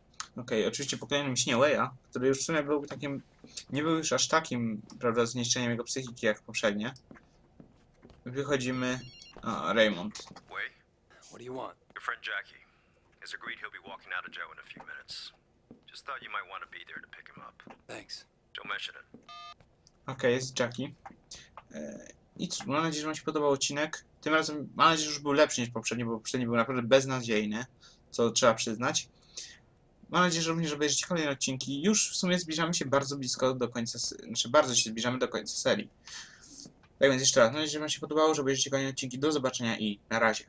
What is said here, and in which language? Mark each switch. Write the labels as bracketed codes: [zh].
[pl] Okej, okay, oczywiście pokolenie mi Weya, który już w sumie był takim. Nie był już aż takim, prawda, zniszczeniem jego psychiki jak poprzednie. Wychodzimy. O, Raymond. [en] Wei, what do you want? Your friend Jackie has agreed he'll be walking out of jail in a few minutes. Just thought you might want to be there to pick him up. Thanks. Don't mention it. [pl] Okej, jest Jackie. I cóż, mam nadzieję, że wam się podobał odcinek. Tym razem mam nadzieję, że już był lepszy niż poprzedni, bo poprzedni był naprawdę beznadziejny, co trzeba przyznać. Mam nadzieję, że również obejrzycie kolejne odcinki. Już w sumie zbliżamy się bardzo blisko do końca, znaczy bardzo się zbliżamy do końca serii. Tak więc jeszcze raz, mam nadzieję, że wam się podobało, że obejrzycie kolejne odcinki. Do zobaczenia i na razie.